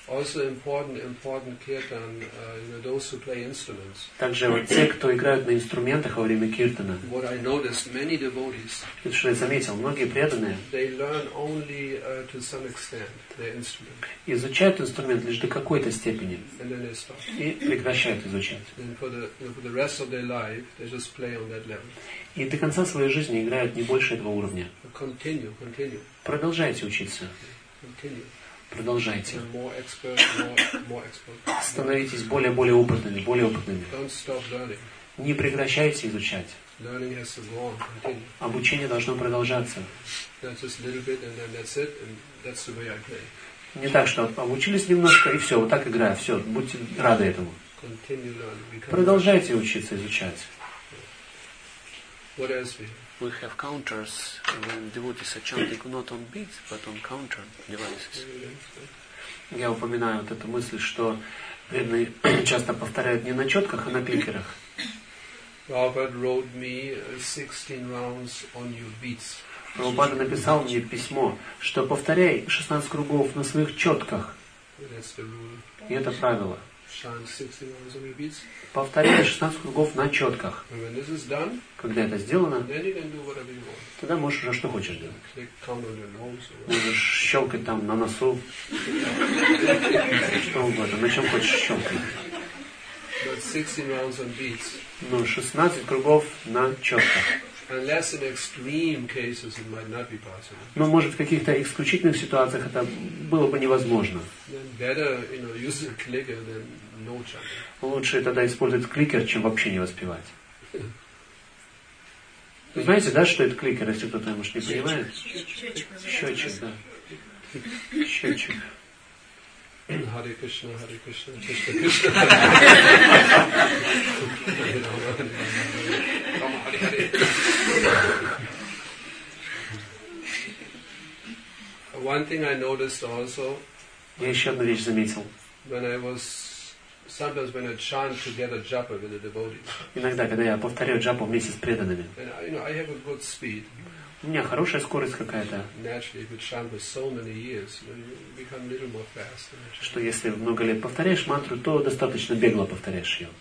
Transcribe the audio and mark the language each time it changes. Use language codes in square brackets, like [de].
[en] Also important kirtan, you know, those who play instruments. [ru] Также вот те, кто играют на инструментах во время киртана. [en] What I noticed, many devotees. [ru] Это что я заметил, многие преданные. [en] They learn only to some extent their instrument. [ru] Изучают инструмент лишь до какой-то степени. [en] And then they stop. [ru] И прекращают изучать. [en] And for the rest of their life, they just play on that level. [ru] И до конца своей жизни играют не больше этого уровня. [en] Continue. [ru] Продолжайте учиться. [en] Continue. [ru] Продолжайте. [en] More expert. [ru] Становитесь более опытными. [en] Don't stop learning. [ru] Не прекращайте изучать. [en] Learning has to go on. Continue. [ru] Обучение должно продолжаться. [en] That's just a little bit, and then that's it, and that's the way I play. [ru] Не так, что обучились немножко, и все, вот так играю, все, будьте рады этому. [en] Continue learning. [ru] Продолжайте учиться изучать. [en] What else we have? We have counters when devotees are chanting not on beats, but on counter devices. [ru] Я упоминаю вот эту мысль, что преданные часто повторяют не на четках, а на пикерах. [en] Prabhupada wrote me 16 rounds on your beats. [ru] Прабхупада написал мне письмо, что повторяй 16 кругов на своих четках. [en] That's the rule. [ru] И это правило. [en] Chant 16 rounds on your beats. [ru] Повторяй 16 кругов на четках. [en] And when this is done, [ru] когда это сделано, [en] then you can do whatever you want. [ru] Тогда можешь уже что хочешь делать. [en] Click, count on your nose, or... [ru] Можешь щелкать там на носу. Что угодно, на чем хочешь щелкать. But 16 rounds on beats. Но 16 кругов на четках. Unless in extreme cases it might not be possible. Но может в каких-то исключительных ситуациях это было бы невозможно. Then better, you know, use a clicker than no chanting. Лучше тогда использовать кликер, чем вообще не воспевать. Вы знаете, да, что это кликер, если кто-то, может, не понимает? Счетчик. [sa] Hare Krishna, Hare Krishna, Krishna Krishna. [en] One thing I noticed also. [ru] Я еще одну вещь заметил. [en] When I was sometimes when I chant together japa with the devotees. [ru] Иногда, когда я повторяю джапу вместе с преданными. [en] And I, you know, I have a good speed. [ru] У меня хорошая скорость какая-то. [en] Naturally, if you chant for so many years, you become a little more fast. [ru] Что если много лет повторяешь мантру, то достаточно бегло повторяешь ее.